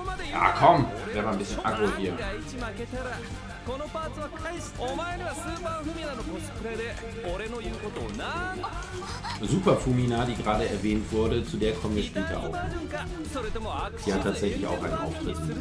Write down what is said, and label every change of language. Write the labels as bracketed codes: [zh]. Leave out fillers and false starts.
[de] Ja, komm, wer war ein bisschen aggro hier. [ja] このパーツは返す。お前にはスーパーフミナのコスプレで俺の言うことをなん。 [de] Super Fumina, die gerade erwähnt wurde, zu der kommen wir später auch. Sie hat tatsächlich auch einen Auftritt.